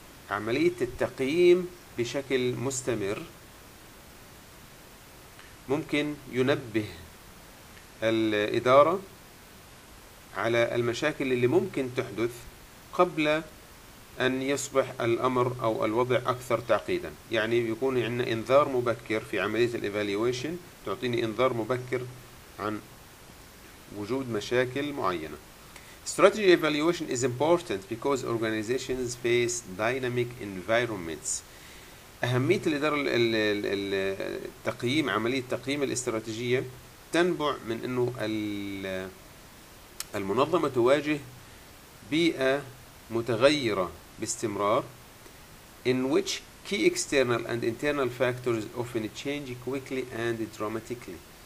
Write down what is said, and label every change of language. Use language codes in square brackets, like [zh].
[ar] عملية التقييم بشكل مستمر ممكن ينبه الإدارة على المشاكل اللي ممكن تحدث قبل أن يصبح الأمر أو الوضع أكثر تعقيدا. يعني يكون عندنا إنذار مبكر في عملية الإيفاليويشن، تعطيني إنذار مبكر عن وجود مشاكل معينة. [en] Strategy evaluation is important because organizations face dynamic environments. [ar] أهمية الإدارة التقييم، عملية تقييم الاستراتيجية، تنبع من إنه المنظمة تواجه بيئة متغيرة باستمرار، [en] in which key external and internal factors often change quickly and dramatically.